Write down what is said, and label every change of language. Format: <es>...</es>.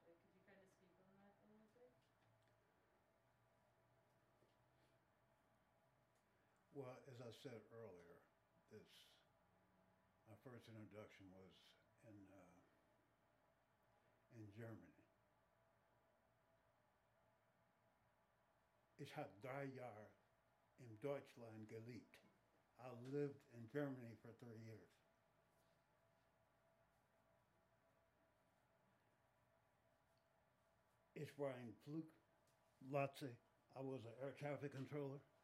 <en>Like, could you kind of speak on that a little bit? Well, as I said earlier, this my first introduction was in Germany.</en> <de>Ich habe 3 Jahre in Deutschland gelebt.</de> <en>I lived in Germany for 3 years. It's Brian Fluke. Lotsey. I was an air traffic controller.</en>